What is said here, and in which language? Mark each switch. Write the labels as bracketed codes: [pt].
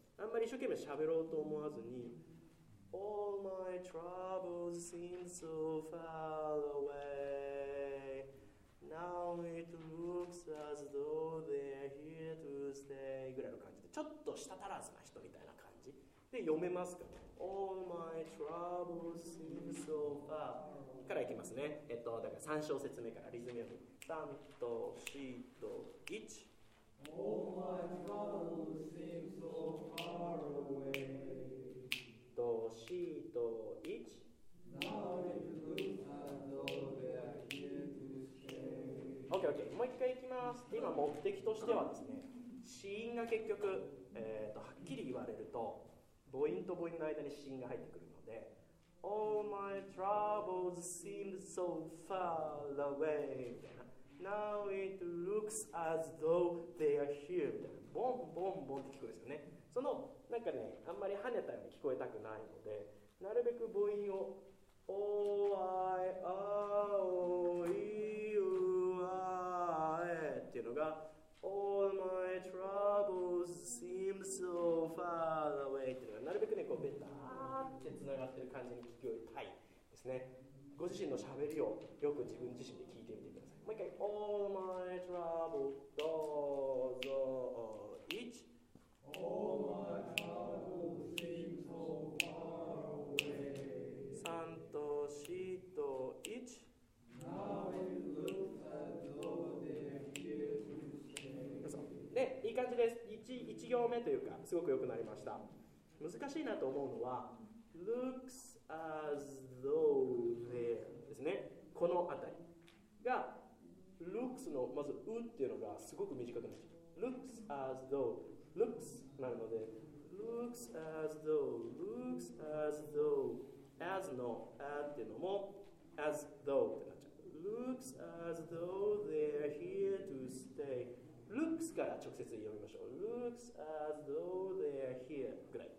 [ja] あんまり一生懸命喋ろうと思わずに [en] All my troubles seem so far awayNow it looks as though they're here to stay [ja] ぐらいの感じでちょっと舌足らずな人みたいな感じで読めますか [en] All my troubles seem so far [ja] からいきますね。だから3小節目からリズム読み。三とシと一。 [en] Oh my troubles seem so far away。 [ja] とシと一。 [en] Now it looks as though they are here to stay。 OK OK、 [ja] もう一回いきます。今目的としてはですね、子音が結局、はっきり言われると母音と母音の間に子音が入ってくるので。 [en] All my troubles seem so far away。 Now it looks as though they are here。 [ja] ボンボンボンって聞こえますよね。そのなんかね、あんまり跳ねたように聞こえたくないので、なるべく母音を Oh I owe you I っていうのが [en] All my troubles seem so far away [ja] っていうのが、なるべくね、こうベタつながってる感じに聞き終えたいですね。ご自身の喋りをよく自分自身で聞いてみてください。もう一回 [en] All my trouble [ja] どうぞ。一。 [en] All my trouble seem so far away。 [ja] 三と四と一。 [en] Now it looks as though they're here to stay。 [ja] いい感じです。一行目というか、すごく良くなりました。難しいなと思うのは、 [en] looks as though there [ja] ですね。このあたりが looks のまずうっていうのがすごく短くなっちゃう。 [en] looks as though looks [ja] なので [en] looks as though looks as though as の at [ja] っていうのも [en] as though [ja] ってなっちゃう。 [en] looks as though they're here to stay。 [ja] looks から直接読みましょう。 [en] looks as though they're here ぐらい。